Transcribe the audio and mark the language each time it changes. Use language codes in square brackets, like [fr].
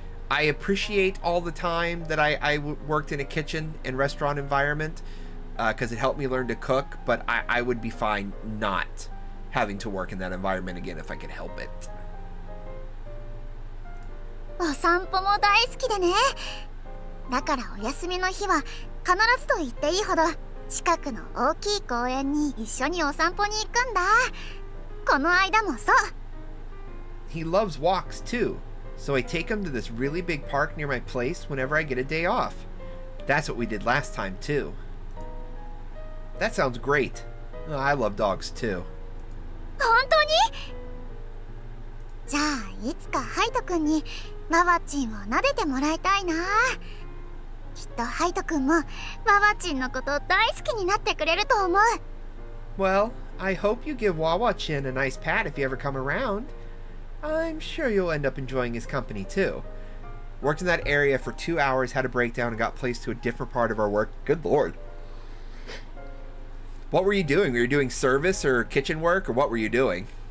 [en] I appreciate all the time that I worked in a kitchen and restaurant environment, because it helped me learn to cook, but I would be fine not having to work in that environment again if I could help it. [ja] お散歩も大好きでね。だからお休みの日は必ずと言っていいほど近くの大きい公園に一緒にお散歩に行くんだ。この間もそう。 [en] He loves walks too. so I take him to this really big park near my place whenever I get a day off. That's what we did last time, too. That sounds great. Oh, I love dogs, too. Really? [ja] じゃあ、いつかハイト君にママチンを撫でてもらいたいな。きっとハイト君もママチンのこと大好きになってくれると思う。 [en] Well, I hope you give Wawa-chan a nice pat if you ever come around. I'm sure you'll end up enjoying his company too. Worked in that area for 2 hours, had a breakdown, and got placed to a different part of our work. Good lord. What were you doing? Were you doing service or kitchen work, or what were you doing?